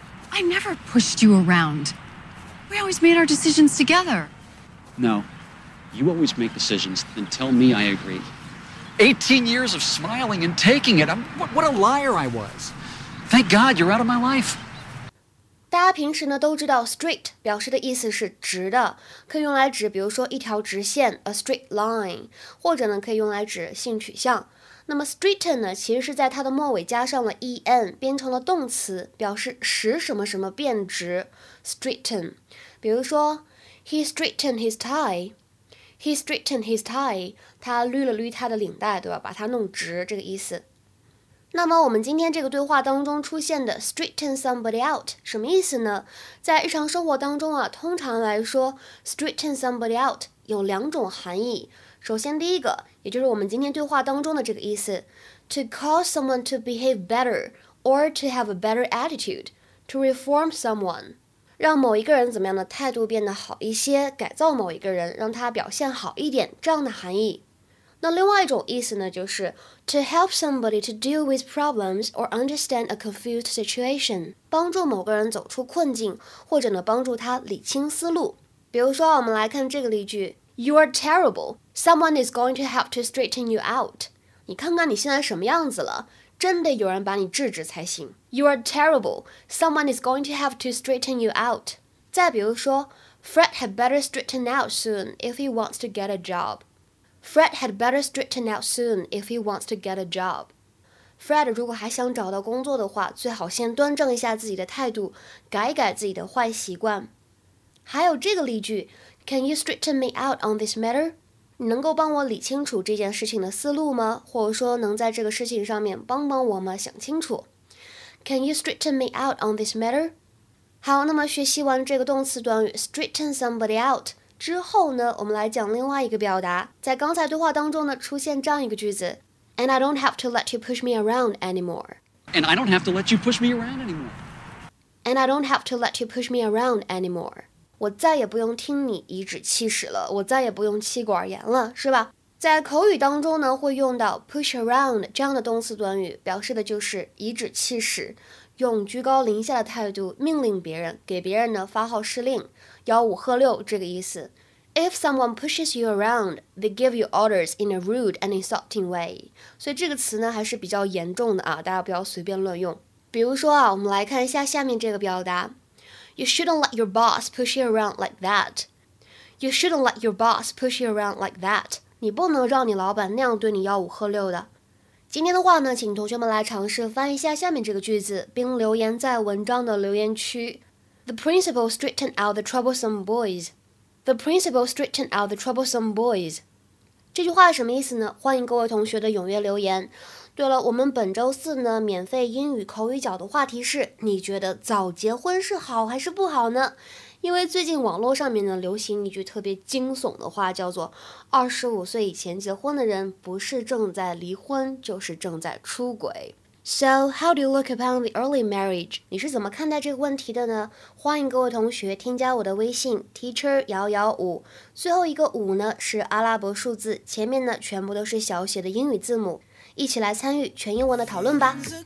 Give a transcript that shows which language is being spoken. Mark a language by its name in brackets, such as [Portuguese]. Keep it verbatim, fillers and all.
[English] I never pushed you around. We always made our decisions together. No. You always make decisions, then tell me I agree. eighteen years of smiling and taking it. I'm, what, what a liar I was. Thank God you're out of my life. [Chinese] 大家平时呢都知道 straight 表示的意思是直的，可以用来指比如说一条直线 [English] a straight line， [Chinese] 或者呢可以用来指性取向。那么 straighten 呢其实是在它的末尾加上了 en 变成了动词，表示使什么什么变直 straighten。比如说 [English] he straightened his tie， [Chinese] he straightened his tie， 他捋了捋他的领带，对吧？把它弄直这个意思。那么我们今天这个对话当中出现的 straighten somebody out 什么意思呢？在日常生活当中啊，通常来说 straighten somebody out 有两种含义。首先第一个，也就是我们今天对话当中的这个意思 [English] to cause someone to behave better or to have a better attitude, to reform someone [Chinese] 让某一个人怎么样的态度变得好一些，改造某一个人，让他表现好一点，这样的含义。那另外一种意思呢，就是 [English] to help somebody to deal with problems or understand a confused situation， [Chinese] 帮助某个人走出困境，或者呢帮助他理清思路。比如说，我们来看这个例句 ： [English] You are terrible. Someone is going to have to straighten you out. [Chinese] 你看看你现在什么样子了，真得有人把你治治才行。 [English] You are terrible. Someone is going to have to straighten you out. [Chinese] 再比如说 [English] ，Fred had better straighten out soon if he wants to get a job. Fred had better straighten out soon if he wants to get a job. [Chinese] Fred 如果还想找到工作的话，最好先端正一下自己的态度，改一改自己的坏习惯。还有这个例句 [English] ，Can you straighten me out on this matter? [Chinese] 你能够帮我理清楚这件事情的思路吗？或者说能在这个事情上面帮帮我吗？想清楚。 [English] Can you straighten me out on this matter? [Chinese] 好，那么学习完这个动词短语 straighten somebody out。之后呢，我们来讲另外一个表达，在刚才对话当中呢，出现这样一个句子 [English] And I don't have to let you push me around anymore. And I don't have to let you push me around anymore. And I don't have to let you push me around anymore. [Chinese] 我再也不用听你颐指气使了，我再也不用妻管严了，是吧？在口语当中呢，会用到 push around 这样的动词短语，表示的就是颐指气使，用居高临下的态度命令别人，给别人呢发号施令，吆五喝六这个意思。 [English] If someone pushes you around, they give you orders in a rude and insulting way. [Chinese] 所以这个词呢还是比较严重的啊，大家不要随便乱用。比如说啊，我们来看一下下面这个表达 [English] You shouldn't let your boss push you around like that. You shouldn't let your boss push you around like that. [Chinese] 你不能让你老板那样对你吆五喝六的。今天的话呢，请同学们来尝试翻译一下下面这个句子，并留言在文章的留言区。 [English] The principal straightened out the troublesome boys. The principal straightened out the troublesome boys. [Chinese] 这句话是什么意思呢？欢迎各位同学的踊跃留言。对了，我们本周四呢，免费英语口语角的话题是：你觉得早结婚是好还是不好呢？因为最近网络上面呢流行一句特别惊悚的话，叫做二十五岁以前结婚的人不是正在离婚，就是正在出轨。 [English] So how do you look upon the early marriage? [Chinese] 你是怎么看待这个问题的呢？欢迎各位同学添加我的微信 teacher 幺幺五，最后一个五呢是阿拉伯数字，前面呢全部都是小写的英语字母，一起来参与全英文的讨论吧。